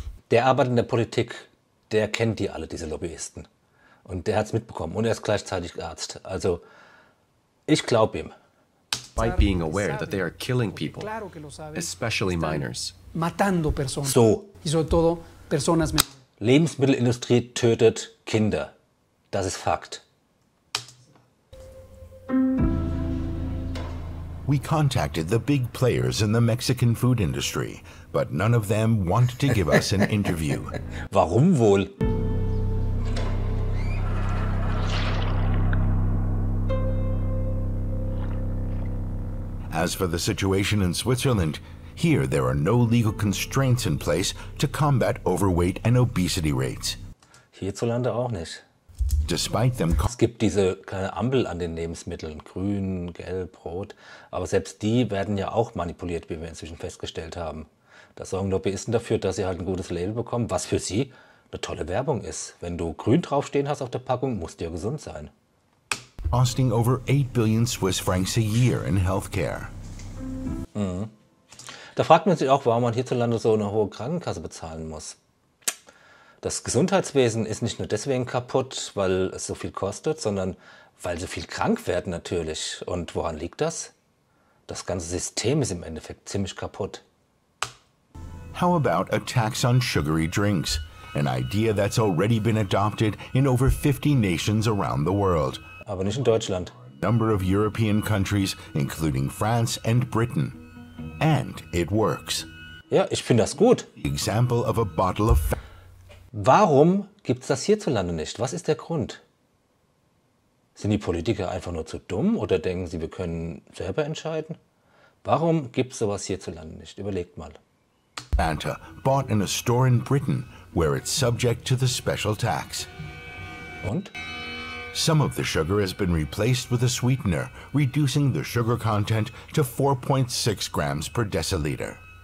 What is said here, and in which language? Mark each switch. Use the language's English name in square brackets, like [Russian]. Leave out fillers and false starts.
[German] Der arbeitende Politik, der kennt die alle, diese Lobbyisten. Und der hat's mitbekommen und er ist gleichzeitig Arzt. Also, ich glaube ihm. [English] Despite being aware that they are killing people, especially minors. [Spanish] Matando personas. [English] So. [Spanish] Y sobre todo personas. [German] Lebensmittelindustrie tötet Kinder. Das ist Fakt. [English] We contacted the big players in the Mexican food industry, but none of them wanted to give us an interview. [German] Warum wohl? [English] As for the situation in Switzerland, here there are no legal constraints in place to combat overweight and obesity rates. [German] Hierzulande auch nicht. [English] Despite them, [German] es gibt diese kleine Ampel an den Lebensmitteln, grün, gelb, rot, aber selbst die werden ja auch manipuliert, wie wir inzwischen festgestellt haben. Da sorgen Lobbyisten dafür, dass sie halt ein gutes Label bekommen, was für sie eine tolle Werbung ist. Wenn du grün draufstehen hast auf der Packung, musst du ja gesund sein. [English] Costing over 8 billion Swiss francs a year in healthcare. [German] Da fragt man sich auch, warum man hierzulande so eine hohe Krankenkasse bezahlen muss. Das Gesundheitswesen ist nicht nur deswegen kaputt, weil es so viel kostet, sondern weil so viel krank werden natürlich. Und woran liegt das? Das ganze System ist im Endeffekt ziemlich kaputt. [English] How about a tax on sugary drinks? An idea that's already been adopted in over 50 nations around the world. [German] Aber nicht in Deutschland. [English] Number of European countries, including France and Britain. And it works. [German] Ja, ich finde das gut. [English] Example of a bottle of. [German] Warum gibt's das hierzulande nicht? Was ist der Grund? Sind die Politiker einfach nur zu dumm oder denken sie, wir können selber entscheiden? Warum gibt's sowas hierzulande nicht? Überlegt mal. [English] Fanta, bought in a store in Britain, where it's subject to the special tax. [German] Und? [English] Some of the sugar has been replaced with a sweetener, reducing the sugar content to 4.6 grams per deciliter.